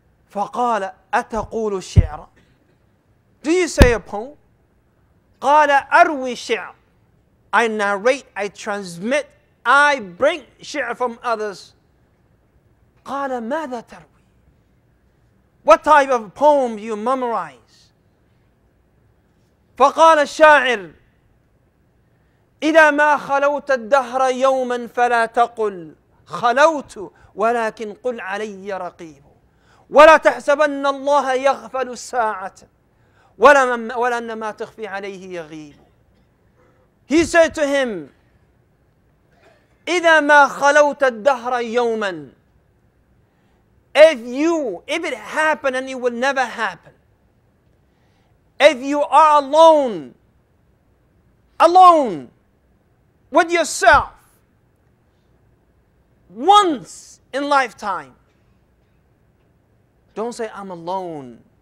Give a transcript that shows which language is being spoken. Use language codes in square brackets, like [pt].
[ar] فقال أتقول شعرا. [en] Do you say a poem? [ar] قال أروي شعر. [en] I narrate, I transmit, I bring شعر from others. [ar] قال ماذا تروي. [en] What type of poem do you memorize? [ar] فقال شاعر إذا ما خلوت الدهر يوما فلا تقل خلوت ولكن قل علي رقيب ولا تحسبن الله يغفل ساعة وَلَأَنَّ مَا تَخْفِي عَلَيْهِ يَغِيبُ. [en] He said to him, [ar] إِذَا مَا خَلَوْتَ الدَّهْرَ يَوْمًا. [en] If it happened, and it will never happen, if you are alone with yourself once in lifetime, don't say, I'm alone.